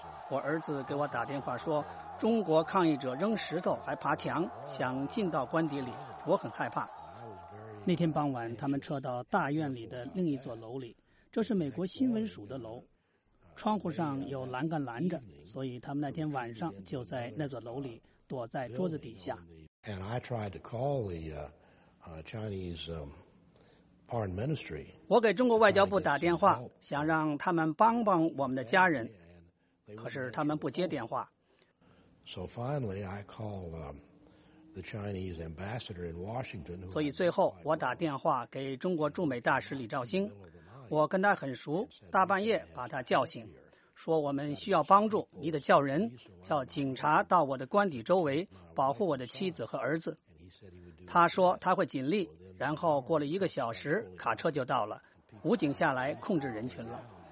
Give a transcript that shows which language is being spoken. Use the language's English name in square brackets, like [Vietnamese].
[Chinese] 我儿子给我打电话说，中国抗议者扔石头还爬墙想进到官邸里，我很害怕。那天傍晚他们撤到大院里的另一座楼里，这是美国新闻署的楼，窗户上有栏杆拦着，所以他们那天晚上就在那座楼里躲在桌子底下。 [English] And I tried to call the Chinese Foreign Ministry. [Chinese] 我给中国外交部打电话，想让他们帮帮我们的家人，可是他们不接电话。 [English] So finally, I called the Chinese ambassador in Washington. [Chinese] 所以最后我打电话给中国驻美大使李兆星，我跟他很熟，大半夜把他叫醒，说我们需要帮助，你得叫人，叫警察到我的官邸周围保护我的妻子和儿子。他说他会尽力，然后过了一个小时，卡车就到了，武警下来控制人群了。